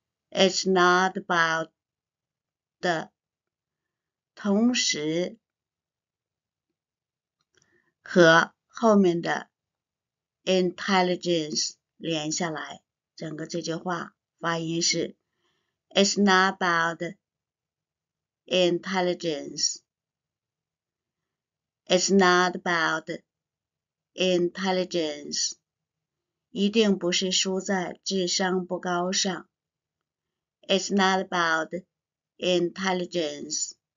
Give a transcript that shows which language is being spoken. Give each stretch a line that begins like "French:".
English: It's not about the。
Chinese: 同时和后面的 intelligence 连下来，整个这句话发音是
English: It's not about intelligence. It's not about intelligence.
Chinese: 一定不是输在智商不高上。
English: It's not about intelligence.